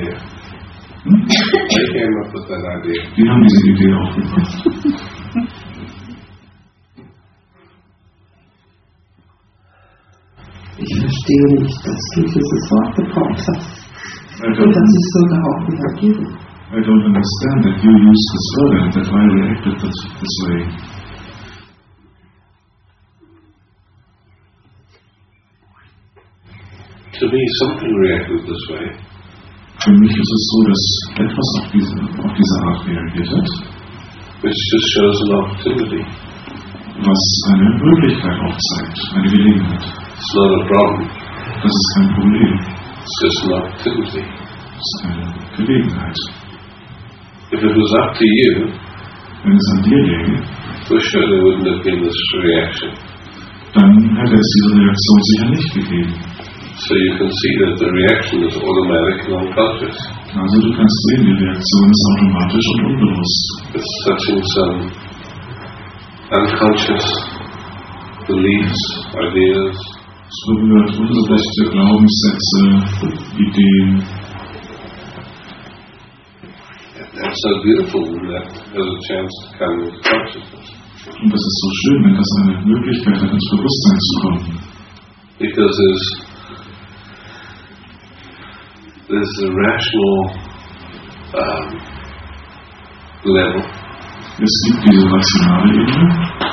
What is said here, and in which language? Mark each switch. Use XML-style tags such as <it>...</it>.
<en>They came up with that idea. You know, this is the deal.</en> <de>Ich verstehe nicht, dass du dieses Wort bekommt hast. Und dass ich so darauf reagiere.</de> <en>I don't understand that you used this word and that I reacted this way. To me, something reacted this way.</en> <de>Für mich ist es so, dass etwas auf diese Art reagiert hat.</de> <en>Which just shows an opportunity.</en> <de>Was eine Möglichkeit aufzeigt, eine Gelegenheit.</de> <en>It's not a problem.</en> <de>Das ist kein Problem.</de> <en>It's just an opportunity.</en> <de>Es ist eine Gelegenheit.</de> <en>If it was up to you,</en> <de>wenn es an dir läge,</de> <en>for sure there wouldn't have been this reaction.</en> <de>Dann hätte es diese Reaktion sicher nicht gegeben.</de> <en>So you can see that the reaction is automatic and unconscious.</en> <de>Also du kannst sehen, die Reaktion ist automatisch und unbewusst.</de> <en>It's touching some unconscious beliefs, ideas.</en> <de>So wird unbewusste Glaubenssätze, Ideen.</de> <en>And that's so beautiful when that has a chance to come into consciousness.</en> <de>Und das ist so schön, wenn das eine Möglichkeit hat, ins Bewusstsein zu kommen.</de> <en>Because there's a rational level.</en> <de>Es gibt diese rationale Ebene,</de>